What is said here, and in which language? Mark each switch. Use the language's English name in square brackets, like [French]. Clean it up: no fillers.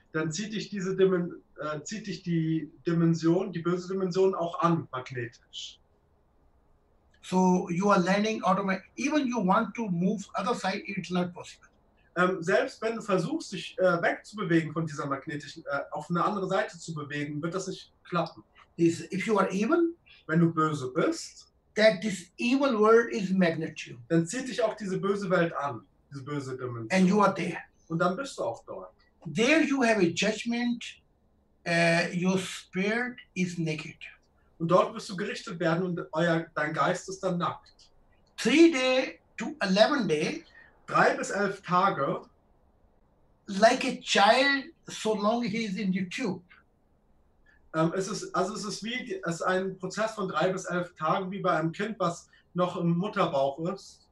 [German] Dann zieht dich diese Dimension, die böse Dimension auch an magnetisch. [English] So you are learning automatically. Even you want to move other side, it's not possible. [German] Selbst wenn du versuchst, dich wegzubewegen von dieser magnetischen, auf eine andere Seite zu bewegen, wird das nicht klappen. [English] This, if you are evil, [German] wenn du böse bist, [English] that this evil world is magnitude. [German] Dann zieht dich auch diese böse Welt an, diese böse Dimension. [English] And you are there. [German] Und dann bist du auch dort. [English] There you have a judgment. Your spirit is naked. [German] Und dort wirst du gerichtet werden und dein Geist ist dann nackt. [English] 3 to 11 days. 3 to 11 days. Like a child, so long he is in the tube. [German] Es ist ein Prozess von [English] 3 to 11 days, [German] wie bei einem Kind, was noch im Mutterbauch ist.